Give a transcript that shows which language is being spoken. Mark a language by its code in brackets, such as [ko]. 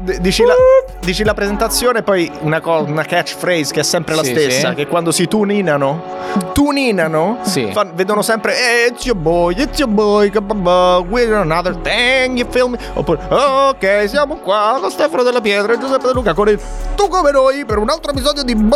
[it] Dici la presentazione, poi una catchphrase che è sempre la stessa. Sì. Che quando si tuninano, sì, vedono sempre. [en] It's your boy, we're another thing, you feel me? [it] Oppure, ok, siamo qua con Stefano Della Pietra e Giuseppe De Luca con il Tu Come Noi per un altro episodio di